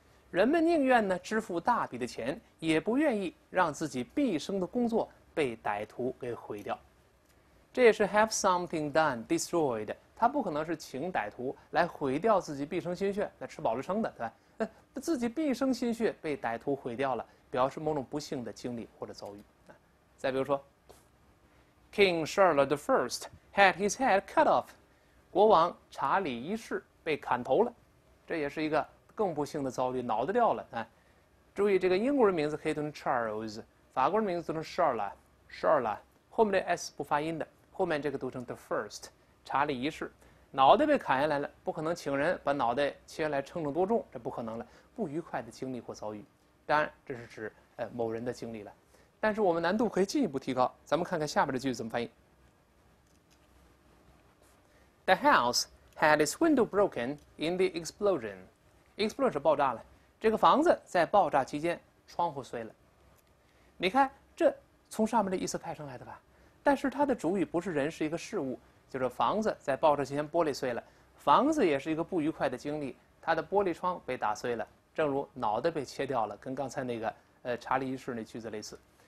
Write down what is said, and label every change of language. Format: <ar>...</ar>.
<zh>人们宁愿呢支付大笔的钱，也不愿意让自己毕生的工作被歹徒给毁掉。这也是</zh> <en>have something done destroyed，</en> <zh>他不可能是请歹徒来毁掉自己毕生心血，那吃饱了撑的，对吧？自己毕生心血被歹徒毁掉了，表示某种不幸的经历或者遭遇。再比如说</zh> <en>，King Charles the First had his head cut off.</en> <zh>国王查理一世被砍头了，这也是一个更不幸的遭遇，脑袋掉了、哎、注意这个英国人名字可以读成 Charles， 法国人名字读成 Charles， 后面的 S 不发音的，后面这个读成 The First， 查理一世脑袋被砍下来了，不可能请人把脑袋切下来称重多重，这不可能了，不愉快的经历或遭遇，当然这是指、某人的经历了，但是我们难度可以进一步提高，咱们看看下边的句子怎么翻译。</zh> <en>The house had its window broken in the explosion.</en> <zh>Explosion 是爆炸了，这个房子在爆炸期间窗户碎了。你看，这从上面的意思派生来的吧？但是它的主语不是人，是一个事物，就是房子在爆炸期间玻璃碎了。房子也是一个不愉快的经历，他的玻璃窗被打碎了，正如脑袋被切掉了，跟刚才那个查理一世那句子类似。</zh>